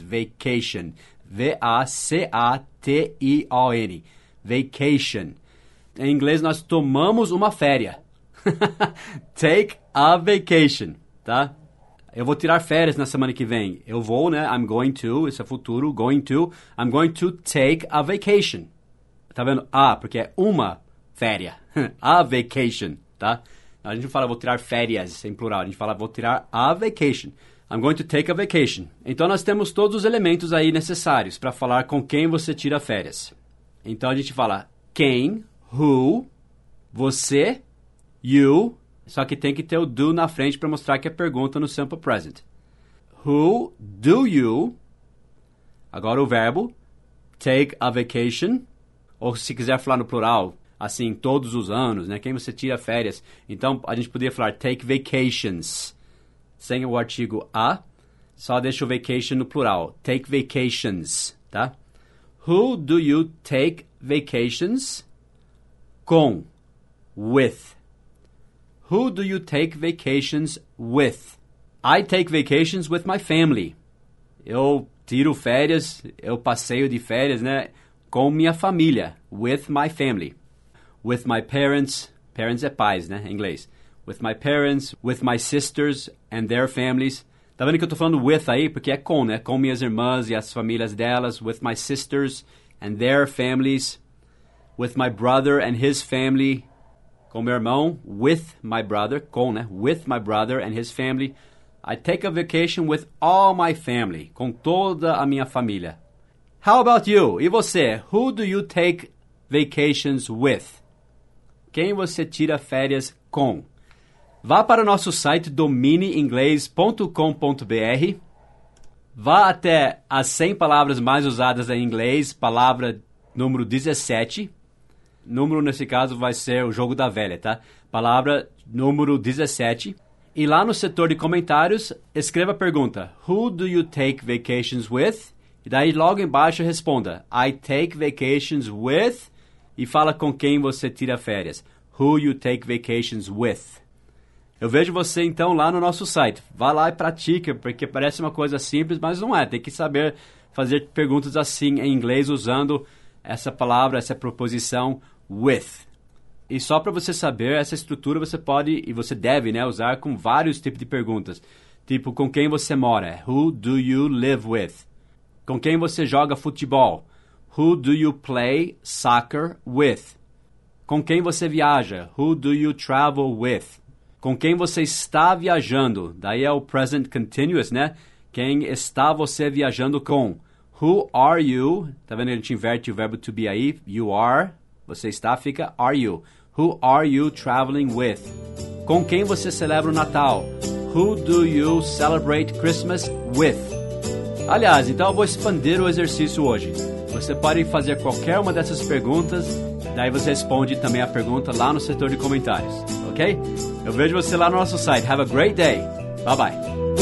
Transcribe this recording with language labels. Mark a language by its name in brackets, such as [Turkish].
[English] Vacation, V-A-C-A-T-I-O-N, vacation. [Portuguese] Em inglês, nós tomamos uma férias. [English] Take a vacation. [Portuguese] Tá? Eu vou tirar férias na semana que vem. Eu vou, né? [English] I'm going to, [Portuguese] isso é futuro, [English] going to. I'm going to take a vacation. [Portuguese] Tá vendo? Ah, porque é uma férias. [English] A vacation, [Portuguese] tá? A gente não fala vou tirar férias em plural. A gente fala vou tirar a vacation. [English] I'm going to take a vacation. [Portuguese] Então, nós temos todos os elementos aí necessários para falar com quem você tira férias. Então, a gente fala quem, who, você, you. Só que tem que ter o do na frente para mostrar que é pergunta no simple present. [English] Who do you, [Portuguese] agora o verbo, [English] take a vacation? [Portuguese] Ou se quiser falar no plural, assim, todos os anos, né? Quem você tira férias? Então, a gente poderia falar [English] take vacations, [Portuguese] sem o artigo a, só deixa o vacation no plural. [English] Take vacations, tá? Who do you take vacations com, with? Who do you take vacations with? I take vacations with my family. [Portuguese] Eu tiro férias, eu passeio de férias, né? Com minha família. [English] With my family. With my parents. [Portuguese] Parents é pais, né? Em inglês. [English] With my parents, with my sisters and their families. [Portuguese] Tá vendo que eu tô falando with aí? Porque é com, né? Com minhas irmãs e as famílias delas. [English] With my sisters and their families. With my brother and his family. [Portuguese] Com meu irmão, [English] with my brother, [Portuguese] com, né? [English] With my brother and his family. I take a vacation with all my family. [Portuguese] Com toda a minha família. [English] How about you? [Portuguese] E você? [English] Who do you take vacations with? [Portuguese] Quem você tira férias com? Vá para o nosso site dominiinglês.com.br. Vá até as 100 palavras mais usadas em inglês, palavra número 17. Número, nesse caso, vai ser o jogo da velha, tá? Palavra número 17. E lá no setor de comentários, escreva a pergunta. [English] Who do you take vacations with? [Portuguese] E daí, logo embaixo, responda. [English] I take vacations with... [Portuguese] E fala com quem você tira férias. [English] Who you take vacations with? [Portuguese] Eu vejo você, então, lá no nosso site. Vá lá e pratica, porque parece uma coisa simples, mas não é. Tem que saber fazer perguntas assim em inglês usando... essa palavra, essa proposição, with. E só para você saber, essa estrutura você pode e você deve, né, usar com vários tipos de perguntas. Tipo, com quem você mora? [English] Who do you live with? [Portuguese] Com quem você joga futebol? [English] Who do you play soccer with? [Portuguese] Com quem você viaja? [English] Who do you travel with? [Portuguese] Com quem você está viajando? Daí é o present continuous, né? Quem está você viajando com? [English] Who are you? [Portuguese] Tá vendo que a gente inverte o verbo to be aí? [English] You are. [Portuguese] Você está, fica [English] are you. Who are you traveling with? [Portuguese] Com quem você celebra o Natal? [English] Who do you celebrate Christmas with? [Portuguese] Aliás, então eu vou expandir o exercício hoje. Você pode fazer qualquer uma dessas perguntas, daí você responde também a pergunta lá no setor de comentários, ok? Eu vejo você lá no nosso site. [English] Have a great day. Bye bye.